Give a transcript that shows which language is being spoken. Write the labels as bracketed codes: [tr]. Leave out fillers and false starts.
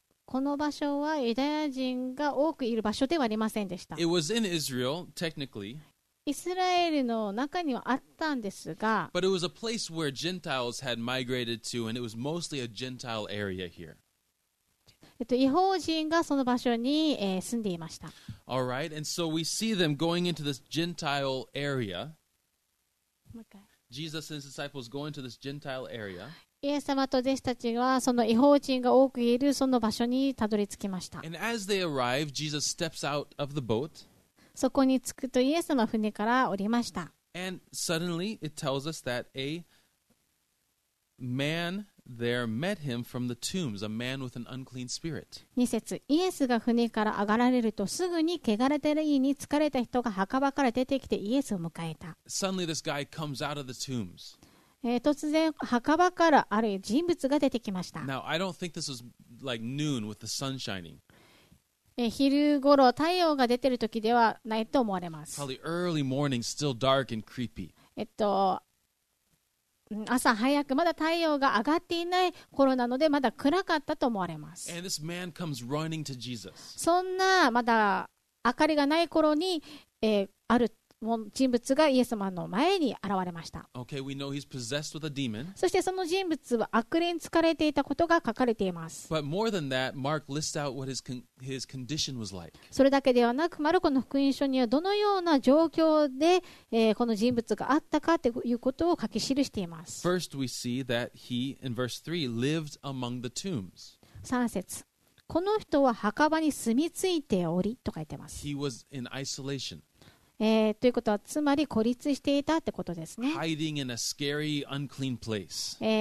[ja] この場所はユダヤ人が多くいる場所ではありませんでした。 [en] It was in Israel, technically. [ja] イスラエルの中にはあったんですが、 [en] But it was a place where Gentiles had migrated to, and it was mostly a Gentile area here. [ja] 異邦人がその場所に、住んでいました。 [en] All right, and so we see them going into this Gentile area. Jesus and his disciples go into this Gentile area. [ja] イエス様と弟子たちはその異邦人が多くいるその場所にたどり着きました。 [en] And as they arrive, Jesus steps out of the boat. [ja] そこに着くとイエス様は船から降りました。 [en] And suddenly it tells us that a man there met him from the tombs, a man with an unclean spirit. [ja] 二節、イエスが船から上がられるとすぐに汚れた霊に憑かれた人が墓場から出てきてイエスを迎えた。 [en] Suddenly this guy comes out of the tombs. [ja] 突然墓場からある人物が出てきました。 [en] Now I don't think this was like noon with the sun shining. [ja] 昼頃太陽が出てる時ではないと思われます。 [en] Probably early morning, still dark and creepy. [ja] 朝早くまだ太陽が上がっていない頃なのでまだ暗かったと思われます。 And this man comes running to Jesus. そんなまだ明かりがない頃に、ある人物がイエス様の前に現れました。 [en] Okay, we know he's possessed with a demon. [ja] そしてその人物は悪霊に憑かれていたことが書かれています。 [en] But more than that, Mark lists out what his condition was like. [ja] それだけではなく、マルコの福音書にはどのような状況で、この人物があったかということを書き記しています。 [en] First, we see that he, in verse 3, lived among the tombs. [ja] 3節。この人は墓場に住み着いておりと書いてます。 [en] He was in isolation. [ja] ということはつまり孤立していたってことですね。 [en] Hiding in a scary, unclean place.